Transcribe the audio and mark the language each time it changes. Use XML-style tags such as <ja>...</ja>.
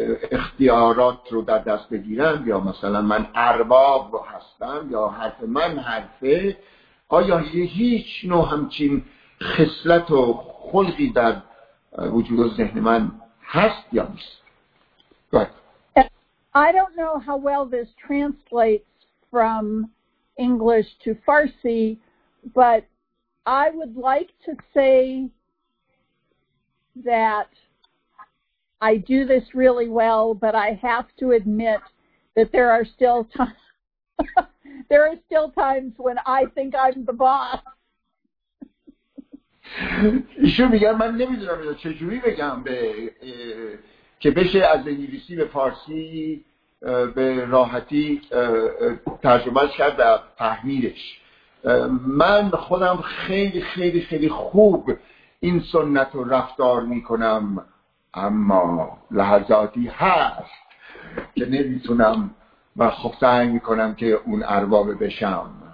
<fa>اختیارات رو در دست بگیرم یا مثلا من ارباب رو هستم یا حرف من حرفه آیا هیچ نوع همچین خصلت و خلقی در وجود و ذهن من هست یا نیست</fa> <en>I don't know how well this translates from English to Farsi, but I would like to say that I do this really well, but I have to admit that there are still times when I think I'm the boss.</en> <fa>ایشون میگن من نمیدونم چجوری بگم به که بشه از انگلیسی به فارسی به راحتی ترجمه کرد و فهمیدش. من خودم خیلی خیلی خیلی خوب این سنت رو رفتار میکنم، اما لحظاتی هست که نمیتونم و خوب سعی میکنم که اون ارباب بشم.</fa>